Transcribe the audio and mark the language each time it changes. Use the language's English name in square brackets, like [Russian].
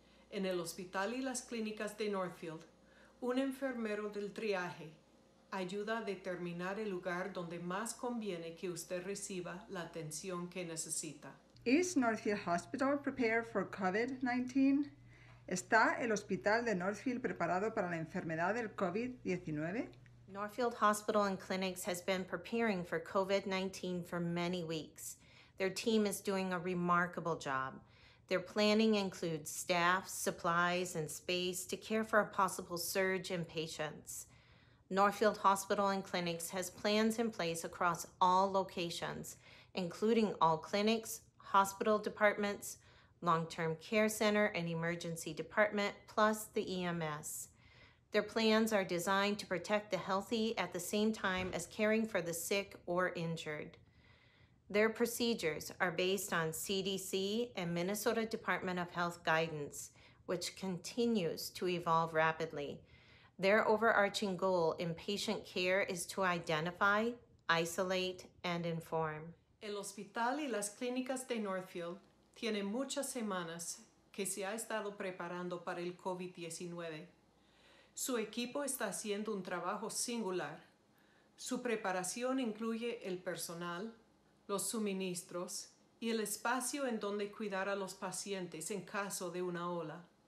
[Spanish] En el hospital y las clínicas de Northfield, un enfermero del triaje ayuda a determinar el lugar donde más conviene que usted reciba la atención que necesita. [English] Is Northfield Hospital prepared for COVID-19? [Spanish] ¿Está el hospital de Northfield preparado para la enfermedad del COVID-19? [English] Northfield Hospital and Clinics has been preparing for COVID-19 for many weeks. Their team is doing a remarkable job. Their planning includes staff, supplies, and space to care for a possible surge in patients. Northfield Hospital and Clinics has plans in place across all locations, including all clinics, hospital departments, long-term care center, and emergency department, plus the EMS. Their plans are designed to protect the healthy at the same time as caring for the sick or injured. Their procedures are based on CDC and Minnesota Department of Health guidance, which continues to evolve rapidly. Their overarching goal in patient care is to identify, isolate, and inform. [Spanish] El hospital y las clínicas de Northfield tienen muchas semanas que se ha estado preparando para el COVID-19. Su equipo está haciendo un trabajo singular. Su preparación incluye el personal, los suministros y el espacio en donde cuidar a los pacientes en caso de una ola.